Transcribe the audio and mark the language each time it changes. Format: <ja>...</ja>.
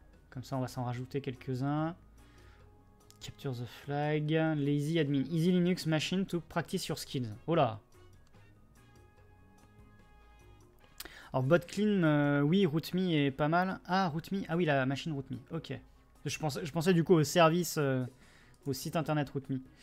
<fr>Comme ça, on va s'en rajouter quelques-uns.</fr> <en>Capture the flag. Lazy admin. Easy Linux machine to practice your skills.</en> <fr>Oh là. Alors, bot clean, oui, root me est pas mal. Ah, root me. Ah oui, la machine root me. Ok. Je pensais du coup au service. Au site internet root me.</fr>